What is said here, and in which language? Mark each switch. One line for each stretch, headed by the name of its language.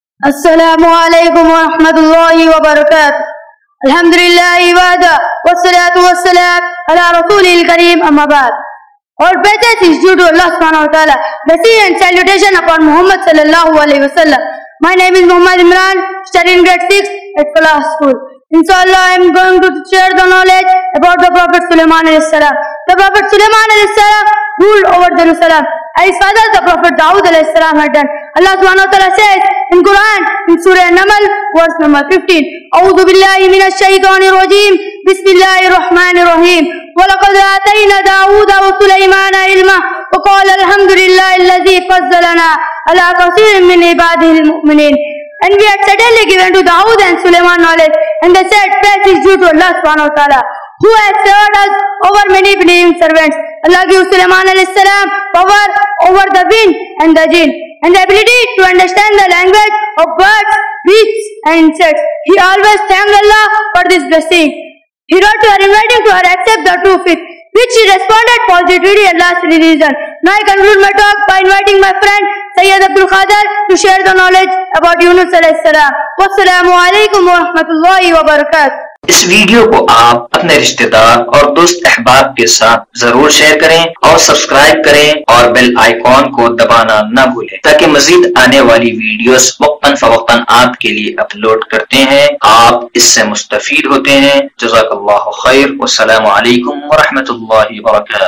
Arabic: السلام عليكم ورحمة الله وبركاته. الحمد لله وعدا والصلاة والسلام على رسوله الكريم أما بعد.
English: Our prayers is due to Allah subhanahu wa ta'ala. Blessing and salutation upon Muhammad sallallahu alayhi wa sallam. My name is Muhammad Imran, studying grade 6 at Falah School. Inshallah, I am going to share the knowledge about the Prophet Sulaiman alayhi salam. The Prophet Sulaiman alayhi salam ruled over Jerusalem. His father, the Prophet Dawud alayhi salam, had done. Allah subhanahu wa ta'ala says in Quran, in Surah An-Naml, verse number 15.
Arabic: أعوذ بالله من الشيطان الرجيم بسم الله الرحمن الرحيم ولقد آتينا داود وسليمان علما وقال الحمد لله الذي فضلنا على كثير من عباده المؤمنين.
English: And we had suddenly given to Dawood and Sulaiman knowledge, and they said, praise is due to Allah subhanahu wa ta'ala, who has favored us over many believing servants. Allah gives Sulaiman alayhi salam power over the wind and the jinn, and the ability to understand the language of birds, beasts and insects. He always thanked Allah for this blessing. He wrote to her, inviting to her accept the true faith, which she responded positively Allah's religion. Now I conclude my talk by inviting my friend Sayyid Abdul Qadir to share the knowledge about Yunus alayhi salam.
Arabic: Wassalamu alaikum wa rahmatullahi wa barakatuh.
Hindi: इस video को आप अपने रिश्तेदार और दोस्त अहबाब के साथ जरूर शेयर करें और सब्सक्राइब करें और बेल आइकॉन को दबाना न भूलें ताकि मजीद आने वाली वीडियोस वक्तन फवक्तन आपके लिए अपलोड करते हैं, आप इससे मुस्तफीद होते हैं। जज़ाकअल्लाहु खैर। अस्सलामु अलैकुम व रहमतुल्लाहि व बरकातुहू।